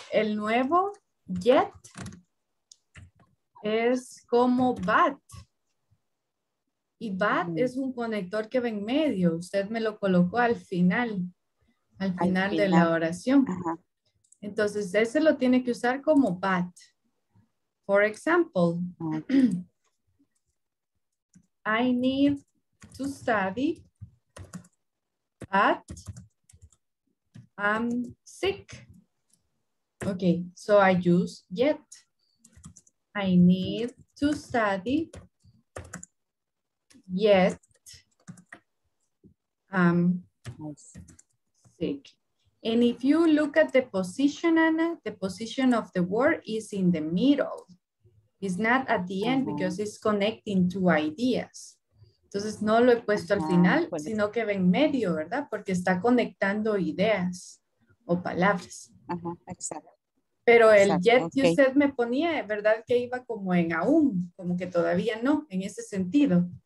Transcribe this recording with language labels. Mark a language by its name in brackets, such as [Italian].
[Spanish] El nuevo yet es como but. Y but es un conector que va en medio. Usted me lo colocó al final de la oración. Ajá. Entonces, ese lo tiene que usar como but. [English] For example, I need to study, but I'm sick. Okay, so I use yet. I need to study, yet I'm sick. And if you look at the position, Anna, the position of the word is in the middle. It's not at the end because it's connecting two ideas. [Spanish] Entonces, no lo he puesto al final, sino que va en medio, ¿verdad? Porque está conectando ideas o palabras. Pero el yet que usted me ponía, ¿verdad? Que iba como en aún, como que todavía no, en ese sentido.